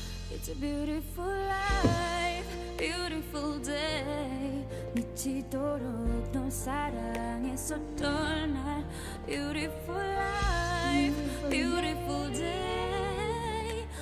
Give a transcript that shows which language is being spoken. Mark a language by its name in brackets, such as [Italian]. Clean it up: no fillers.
[English] It's a beautiful life, beautiful day. [Korean] 미치도록 널 사랑했었던 날. [English] Beautiful life, beautiful day.